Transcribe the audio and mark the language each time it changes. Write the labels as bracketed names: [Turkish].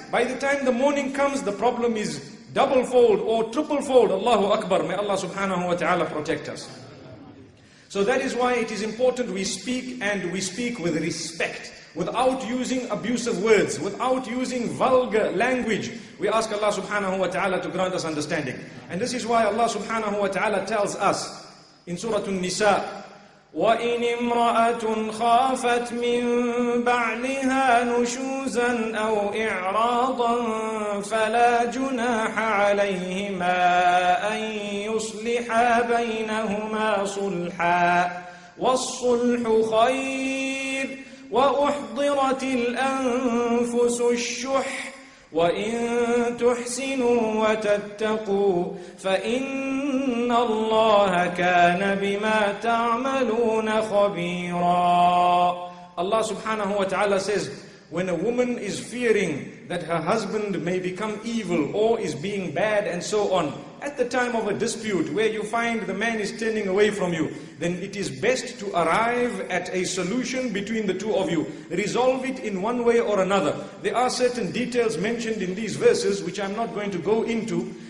[English] By the time the morning comes, the problem is double fold or triple fold. Allahu Akbar. May Allah subhanahu wa ta'ala protect us. So that is why it is important we speak, and we speak with respect, without using abusive words, without using vulgar language. We ask Allah subhanahu wa ta'ala to grant us understanding. And this is why Allah subhanahu wa ta'ala tells us in Surah An-Nisa, [Arabic] وَإِنْ إِمْرَأَةٌ خَافَتْ مِنْ بَعْلِهَا نُشُوزًا أَوْ إِعْرَاضًا فَلَا جُنَاحَ عَلَيْهِمَا أَنْ يُصْلِحَا بَيْنَهُمَا صُلْحًا وَالصُّلْحُ خَيْرٌ وَأُحْضِرَتِ الْأَنفُسُ الشُّحَّ وَإِن تُحْسِنُوا وَتَتَّقُوا فَإِنَّ اللَّهَ كَانَ بِمَا تَعْمَلُونَ خَبِيرًا. [English] Allah subhanahu wa ta'ala says, When a woman is fearing that her husband may become evil or is being bad and so on, at the time of a dispute where you find the man is turning away from you, then it is best to arrive at a solution between the two of you. Resolve it in one way or another. There are certain details mentioned in these verses which I'm not going to go into.